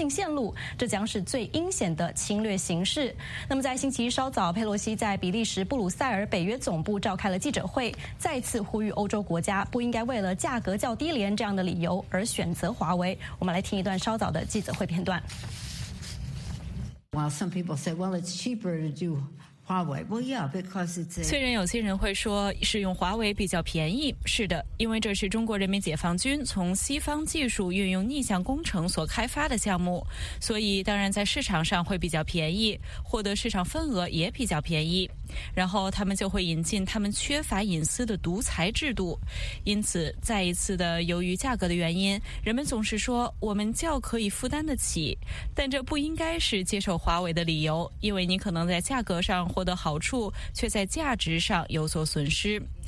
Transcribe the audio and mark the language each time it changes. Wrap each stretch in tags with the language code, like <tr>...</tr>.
<zh>性线路，这将是最阴险的侵略形式。那么在星期一稍早，佩洛西在比利时布鲁塞尔北约总部召开了记者会，再次呼吁欧洲国家不应该为了价格较低廉这样的理由而选择华为。我们来听一段稍早的记者会片段。</zh> <en>While some people say, well, it's cheaper to do Huawei. Well, yeah, because it's.</en> <zh>虽然有些人会说是用华为比较便宜，是的，因为这是中国人民解放军从西方技术运用逆向工程所开发的项目，所以当然在市场上会比较便宜，获得市场份额也比较便宜。然后他们就会引进他们缺乏隐私的独裁制度，因此再一次的由于价格的原因，人们总是说我们较可以负担得起，但这不应该是接受华为的理由，因为你可能在价格上获得好处，却在价值上有所损失。</zh>